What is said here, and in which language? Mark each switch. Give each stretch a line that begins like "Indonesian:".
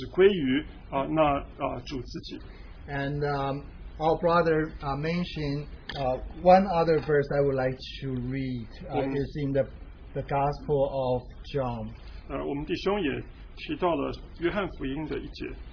Chinese: 我们弟兄也分享，可是荣耀只归于主自己。And
English: our brother mentioned one other verse I would like to read is in the Gospel of John.
Chinese: 我们弟兄也提到了约翰福音的一节。